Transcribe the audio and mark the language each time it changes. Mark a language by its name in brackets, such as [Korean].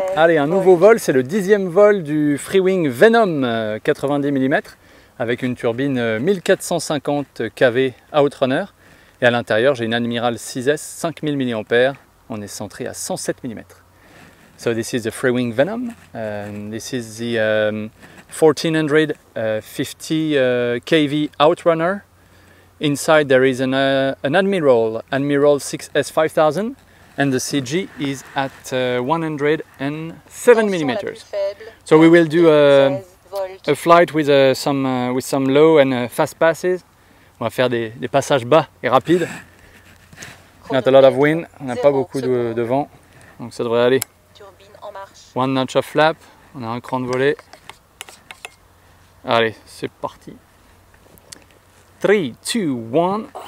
[French] Allez, un nouveau vol, c'est le 10e vol du Freewing Venom 90 mm avec une turbine 1450 kW Outrunner. Et à l'intérieur, j'ai une Admiral 6S 5000 mAh, on est centré à 107 mm. [English] So this is the Freewing Venom, this is the 1450 kW Outrunner. Inside there is an Admiral 6S 5000. And the CG is at 107 mm. So we will do a flight with some low and fast passes. [French] On va faire des passages bas et rapides. [English] Not a lot of wind, [French] on n'a pas beaucoup de vent. Donc ça devrait aller. Turbine en marche. [English] One notch of flap, [French] on a un cran de volée. Allez, c'est parti. 3, 2, 1.